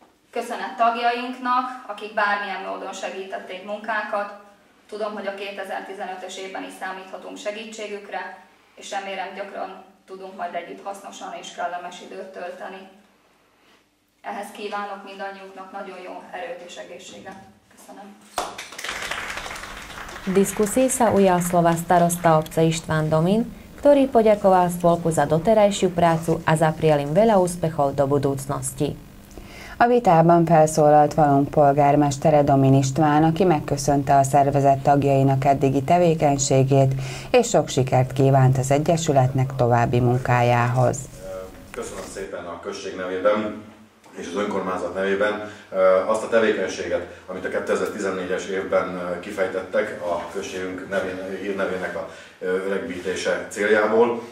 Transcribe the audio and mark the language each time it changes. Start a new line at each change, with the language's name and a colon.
Hungarian: Köszönet tagjainknak, akik bármilyen módon segítették munkánkat. Tudom, hogy a 2015-ös évben is számíthatunk segítségükre, és remélem gyakran tudunk majd együtt hasznosan és kellemes időt tölteni. Ehhez kívánok mindannyiunknak nagyon jó erőt és egészséget. Köszönöm.
Slovak: V diskusii sa ujal slova starosta obce Ištván Domín, ktorý poďakoval spolku za doterajšiu prácu a zaprial im veľa úspechov do budúcnosti.
Hungarian: A vitában felszólalt valunk polgármestere Domín István, aki megköszönte a szervezet tagjainak eddigi tevékenységét, és sok sikert kívánt az Egyesületnek további munkájához. Köszönöm szépen a község nevében. és az önkormányzat nevében azt a tevékenységet, amit a 2014-es évben kifejtettek a községünk nevén, hírnevének a öregbítése céljából.